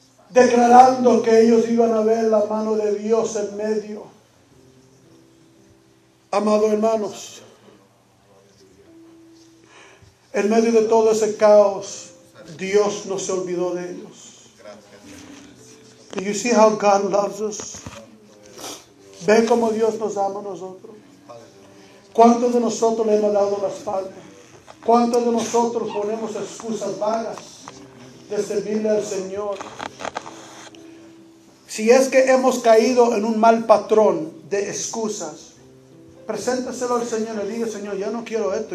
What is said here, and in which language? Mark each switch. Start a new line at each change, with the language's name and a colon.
Spanish: Declarando que ellos iban a ver la mano de Dios en medio. Amados hermanos, en medio de todo ese caos, Dios no se olvidó de ellos.
English: Do you see how God loves us?
Spanish: Ve cómo Dios nos ama a nosotros. ¿Cuántos de nosotros le hemos dado la espalda? ¿Cuántos de nosotros ponemos excusas vagas de servirle al Señor? Si es que hemos caído en un mal patrón de excusas, preséntaselo al Señor y diga, Señor, yo no quiero esto.